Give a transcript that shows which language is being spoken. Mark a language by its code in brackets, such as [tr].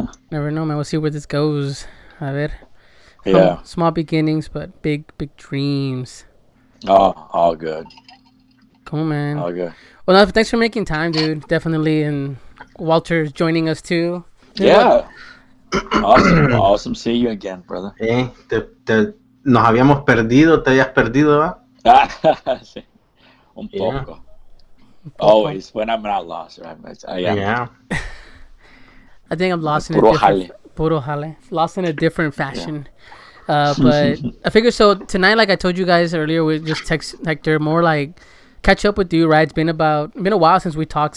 [en] Never know, man. We'll see where this goes. [es] A ver. [en] Yeah. Small beginnings, but big dreams. Oh, all good. Cool, man. All good. Well, thanks for making time, dude. Definitely. And Walter's joining us, too. Yeah. Awesome. Awesome. See you again, brother. [es] Hey, nos habíamos perdido. Te habías perdido, ¿va? Sí. Un poco. [en] Yeah. Always, when I'm not lost, right? I think I'm lost in [es] puro jale. [en] Lost in a different fashion. Yeah. But I figure so tonight, like I told you guys earlier, we just text Hector, more like catch up with you, right? It's been a while since we talked.